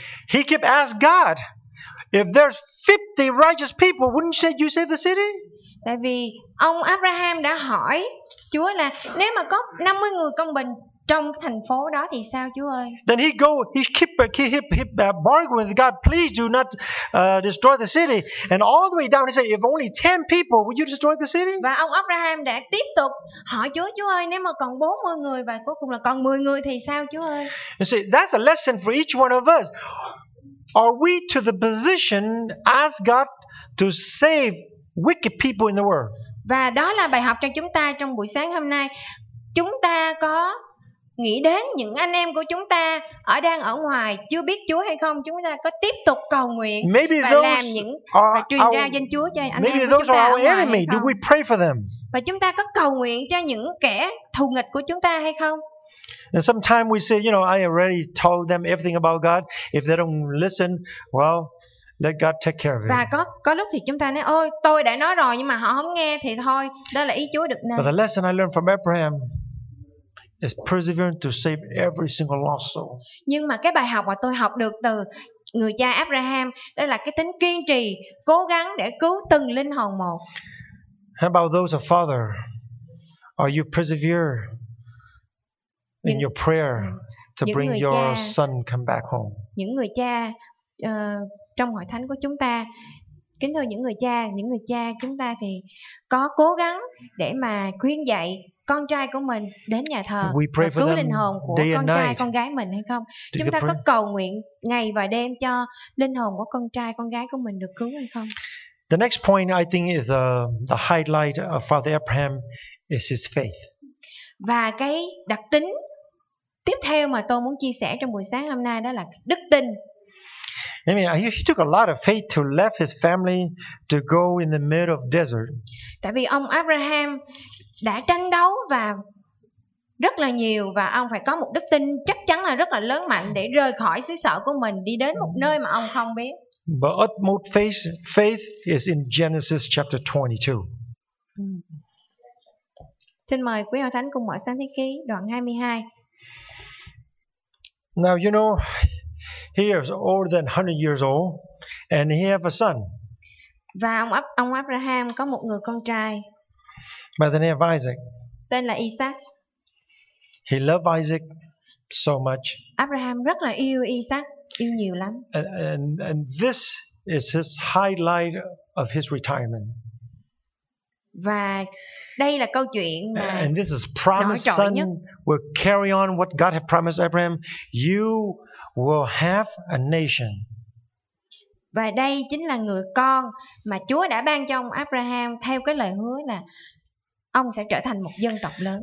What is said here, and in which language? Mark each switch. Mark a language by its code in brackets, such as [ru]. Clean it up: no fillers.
[en] He kept asking God, if there's 50 righteous people, wouldn't you save the city? [vi] Tại vì ông Abraham đã hỏi Chúa là nếu mà có 50 người công bình trong thành phố đó thì sao Chúa ơi? [en] Then he kept bargaining with God, please do not destroy the city. And all the way down he said, if only 10 people, would you destroy the city? [vi] Và ông Abraham đã tiếp tục hỏi Chúa ơi, nếu mà còn 40 người và cuối cùng là còn 10 người thì sao Chúa ơi? [en] You see, that's a lesson for each one of us. Are we to the position ask God to save wicked people in the world? [vi] Và đó là bài học cho chúng ta trong buổi sáng hôm nay. Chúng ta có nghĩ đến những anh em của chúng ta ở đang ở ngoài chưa biết Chúa hay không, chúng ta có tiếp tục cầu nguyện [en] maybe [vi] và làm những và truyền ra danh Chúa cho anh [en] maybe [vi] em của chúng ta ở ngoài hay không? [en] Do we pray for them? [vi] Và chúng ta có cầu nguyện cho những kẻ thù nghịch của chúng ta hay không? [en] And sometimes we say, you know, I already told them everything about God. If they don't listen, well, Let God take care of it. [vi] Và có lúc thì chúng ta nói, ôi, tôi đã nói rồi nhưng mà họ không nghe thì thôi, đó là ý Chúa được nên. [en] But the lesson I learned from Abraham is persevering to save every single lost soul. [vi] Nhưng mà cái bài học mà tôi học được từ người cha Abraham đó là cái tính kiên trì, cố gắng để cứu từng linh hồn một. [en] How about those of father? Are you persevere in your prayer to bring your son come back home? [vi] Những người cha trong hội thánh của chúng ta, kính thưa những người cha chúng ta thì có cố gắng để mà khuyên dạy con trai của mình đến nhà thờ và cứu linh hồn của con trai con gái mình hay không? Chúng ta có cầu nguyện ngày và đêm cho linh hồn của con trai con gái của mình được cứu hay không? [en] The next point I think is the highlight of Father Abraham is his faith. [vi] Và cái đặc tính tiếp theo mà tôi muốn chia sẻ trong buổi sáng hôm nay đó là đức tin. [en] I mean, he took a lot of faith to leave his family to go in the middle of desert. [vi] Tại vì ông Abraham đã tranh đấu và rất là nhiều và ông phải có một đức tin chắc chắn là rất là lớn mạnh để rời khỏi xứ sở của mình đi đến một nơi mà ông không biết. [en] But utmost faith is in Genesis chapter 22. [vi] Xin mời quý hội thánh cùng mở Sáng Thế Ký đoạn 22. [en] Now you know he is older than 100 years old and he have a son. [vi] Và ông Abraham có một người con trai. [en] By the name of Isaac. [vi] Tên là Isaac. [en] He loved Isaac so much. [vi] Abraham rất là yêu Isaac, yêu nhiều lắm. [en] And this is his highlight of his retirement. [vi] Và đây là câu chuyện mà [en] and this is promised son will carry on what God had promised Abraham. You will have a nation. [vi] Và đây chính là người con mà Chúa đã ban cho ông Abraham theo cái lời hứa là ông sẽ trở thành một dân tộc lớn.